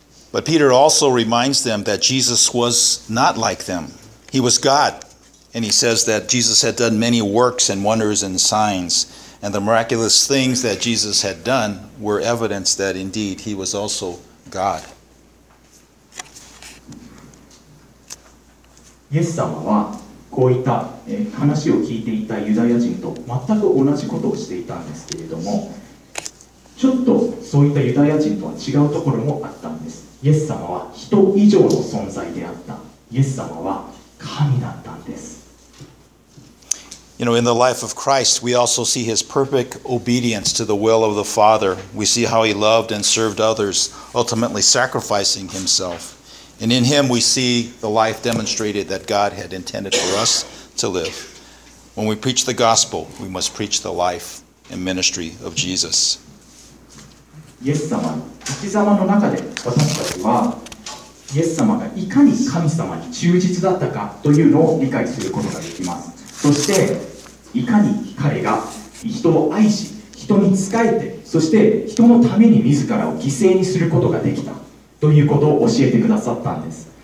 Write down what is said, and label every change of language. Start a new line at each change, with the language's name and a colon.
English: But Peter also reminds them that Jesus was not like them. He was God. And he says that Jesus had done many works and wonders and signs. And the miraculous things that Jesus had done were evidence that indeed he was also God.
Japanese: イエス様はこういった話を聞いていたユダヤ人と全く同じことをしていたんですけれども、ちょっとそういったユダヤ人とは違うところもあったんです。イエス様は人以上の存在であった。イエス様は神だったんです。
English: You know, in the life of Christ, we also see his perfect obedience to the will of the Father. We see how he loved and served others, ultimately sacrificing himself. And in him we see the life demonstrated that God had intended for us to live. When we preach the gospel, we must preach the life and ministry of Jesus.
Japanese: イエス様の生き様の中で私たちはイエス様がいかに神様に忠実だったかというのを理解することができます。そしていかに彼が人を愛し、人に仕えて、そして人のために自らを犠牲にすることができたということを教えてくださったんです。